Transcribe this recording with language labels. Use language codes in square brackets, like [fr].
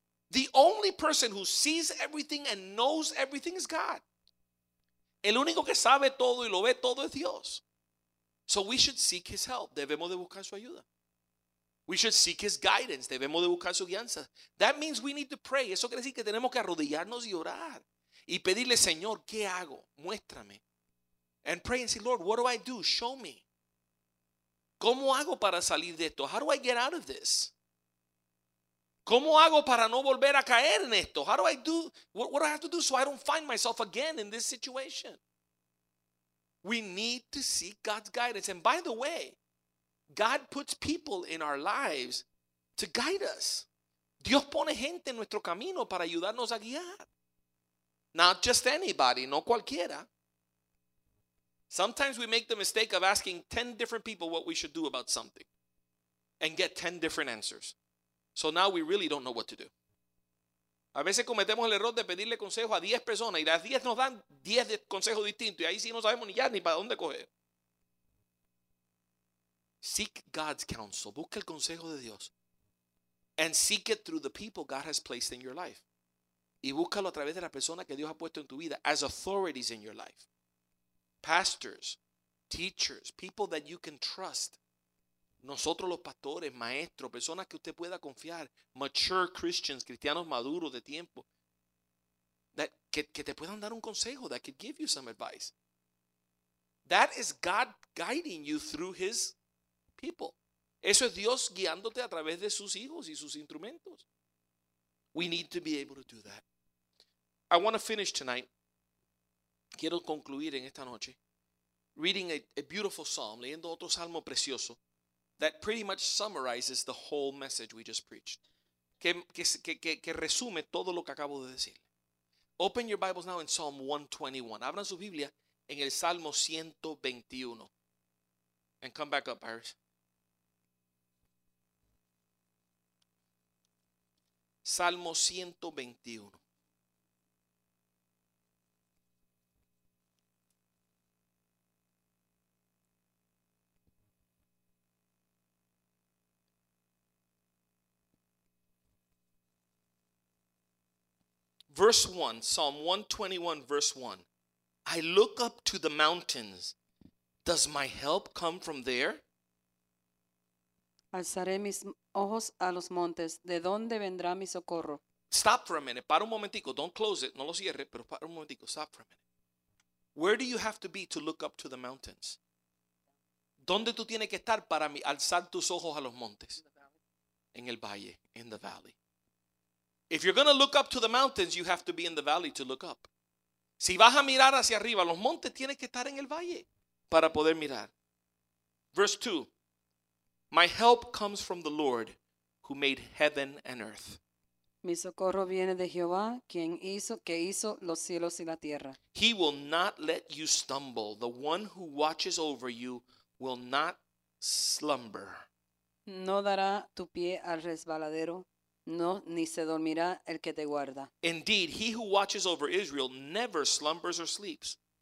[en] The only person who sees everything and knows everything is God. [es] El único que sabe todo y lo ve todo es Dios. [en] So we should seek his help. [es] Debemos de buscar su ayuda. [en] We should seek his guidance. [es] Debemos de buscar su guianza. [en] That means we need to pray. [es] Eso quiere decir que tenemos que arrodillarnos y orar. Y pedirle, Señor, ¿qué hago? Muéstrame. [en] And pray and say, Lord, what do I do? Show me. [es] ¿Cómo hago para salir de esto? [en] How do I get out of this? [es] ¿Cómo hago para no volver a caer en esto? [en] How do I do, what do I have to do so I don't find myself again in this situation? We need to seek God's guidance. And by the way, God puts people in our lives to guide us. [es] Dios pone gente en nuestro camino para ayudarnos a guiar. [en] Not just anybody, [es] no cualquiera. [en] Sometimes we make the mistake of asking 10 different people what we should do about something and get 10 different answers. So now we really don't know what to do. [es] A veces cometemos el error de pedirle consejo a 10 personas y las 10 nos dan 10 consejos distintos y ahí sí no sabemos ni ya ni para dónde coger. [en] Seek God's counsel. [es] Busca el consejo de Dios. [en] And seek it through the people God has placed in your life. [es] Y búscalo a través de la persona que Dios ha puesto en tu vida. [en] As authorities in your life. Pastors, teachers, people that you can trust. [es] Nosotros los pastores, maestros, personas que usted pueda confiar. [en] Mature Christians, [es] cristianos maduros de tiempo. That, que te puedan dar un consejo. [en] That could give you some advice. That is God guiding you through his people. [es] Eso es Dios guiándote a través de sus hijos y sus instrumentos. [en] We need to be able to do that. I want to finish tonight. [es] Quiero concluir en esta noche. [en] Reading a beautiful psalm. [es] Leyendo otro salmo precioso. [en] That pretty much summarizes the whole message we just preached. [es] Que resume todo lo que acabo de decir. [en] Open your Bibles now in Psalm 121. [es] Abran su Biblia en el Salmo 121. [en] And come back up, Iris. [es] Salmo 121. [en] Verse 1, Psalm 121, verse 1. I look up to the mountains. Does my help come from there? [es] Alzaré mis ojos a los montes. ¿De dónde vendrá mi socorro? [en] Stop for a minute. [es] Para un momentico. [en] Don't close it. [es] No lo cierre, pero para un momentico. [en] Stop for a minute. Where do you have to be to look up to the mountains? [es] ¿Dónde tú tienes que estar para alzar tus ojos a los montes? En el valle. [en] In the valley. If you're going to look up to the mountains, you have to be in the valley to look up. [es] Si vas a mirar hacia arriba, los montes, tienes que estar en el valle para poder mirar. [en] Verse 2. My help comes from the Lord who made heaven and earth. [es] Mi socorro viene de Jehová, quien hizo, que hizo los cielos y la tierra. [en] He will not let you stumble. The one who watches over you will not slumber. [es] No dará tu pie al resbaladero. No, ni se dormirá el que te guarda. [en] Indeed, he who watches over Israel never slumbers or sleeps.